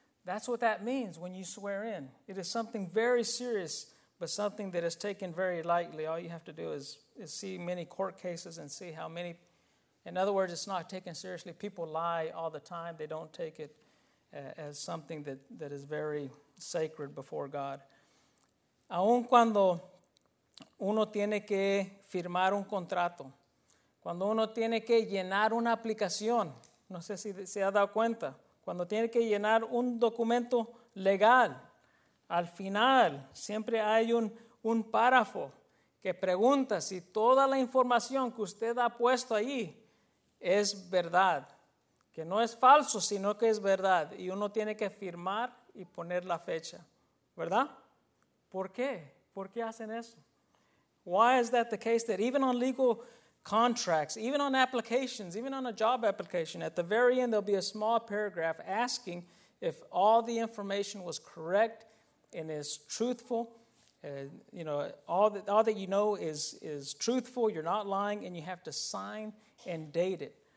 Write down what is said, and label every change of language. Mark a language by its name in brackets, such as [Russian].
[English] That's what that means when you swear in. It is something very serious, but something that is taken very lightly. All you have to do is see many court cases and see how many. In other words, it's not taken seriously. People lie all the time. They don't take it as something that is very sacred before God. [Spanish] Aun cuando uno tiene que firmar un contrato, cuando uno tiene que llenar una aplicación, no sé si se ha dado cuenta, cuando tiene que llenar un documento legal, al final siempre hay un párrafo que pregunta si toda la información que usted ha puesto ahí es verdad, que no es falso, sino que es verdad. Y uno tiene que firmar y poner la fecha, ¿verdad? ¿Por qué? ¿Por qué hacen eso? [English] Why is that the case that even on legal contracts, even on applications, even on a job application, at the very end there'll be a small paragraph asking if all the information was correct and is truthful, you know, all that you know is truthful, you're not lying, and you have to sign and date it.